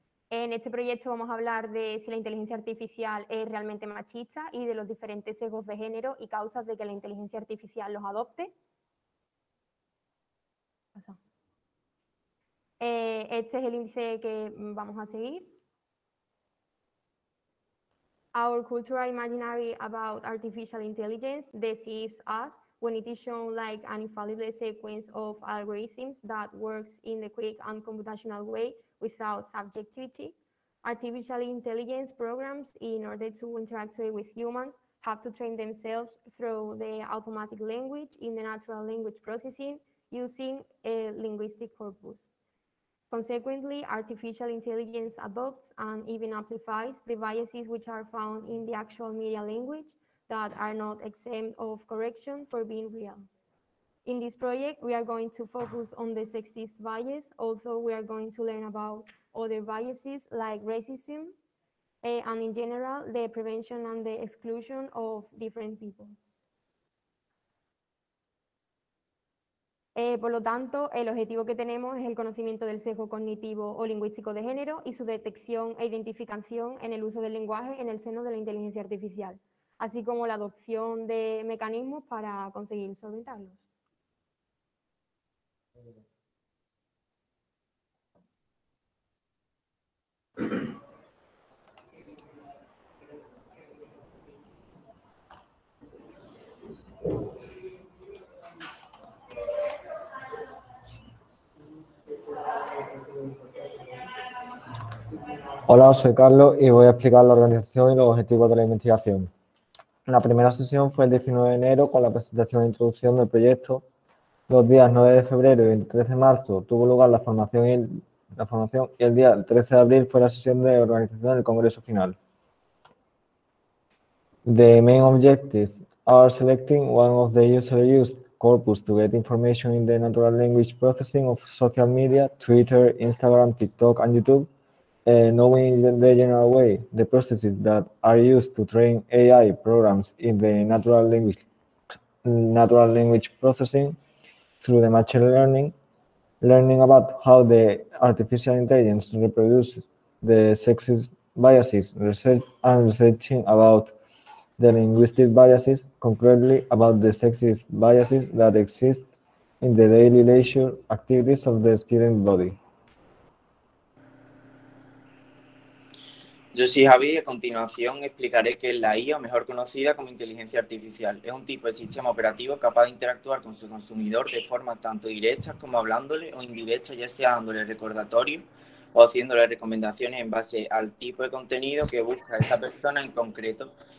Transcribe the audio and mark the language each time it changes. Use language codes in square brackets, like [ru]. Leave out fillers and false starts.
[es] En este proyecto vamos a hablar de si la inteligencia artificial es realmente machista y de los diferentes sesgos de género y causas de que la inteligencia artificial los adopte. Este es el índice que vamos a seguir. [en] Our cultural imaginary about artificial intelligence deceives us when it is shown like an infallible sequence of algorithms that works in a quick and computational way without subjectivity. Artificial intelligence programs, in order to interact with humans, have to train themselves through the automatic language in the natural language processing using a linguistic corpus. Consequently, artificial intelligence adopts and even amplifies the biases which are found in the actual media language that are not exempt of correction for being real. In this project, we are going to focus on the sexist bias, although we are going to learn about other biases like racism and in general, the prevention and the exclusion of different people. [es] Por lo tanto, el objetivo que tenemos es el conocimiento del sesgo cognitivo o lingüístico de género y su detección e identificación en el uso del lenguaje en el seno de la inteligencia artificial, así como la adopción de mecanismos para conseguir solventarlos. Hola, soy Carlos y voy a explicar la organización y los objetivos de la investigación. La primera sesión fue el 19 de enero con la presentación e introducción del proyecto. Los días 9 de febrero y el 13 de marzo tuvo lugar la formación y el día 13 de abril fue la sesión de organización del congreso final. [en] The main objectives are selecting one of the usually used corpus to get information in the natural language processing of social media, Twitter, Instagram, TikTok and YouTube. Knowing the general way, the processes that are used to train AI programs in the natural language processing through the machine learning about how the artificial intelligence reproduces the sexist biases, research and researching about the linguistic biases, concretely about the sexist biases that exist in the daily leisure activities of the student body. [es] Yo soy Javi y a continuación explicaré qué es la IA, mejor conocida como inteligencia artificial. Es un tipo de sistema operativo capaz de interactuar con su consumidor de forma tanto directa como hablándole o indirecta, ya sea dándole recordatorio o haciéndole recomendaciones en base al tipo de contenido que busca esa persona en concreto.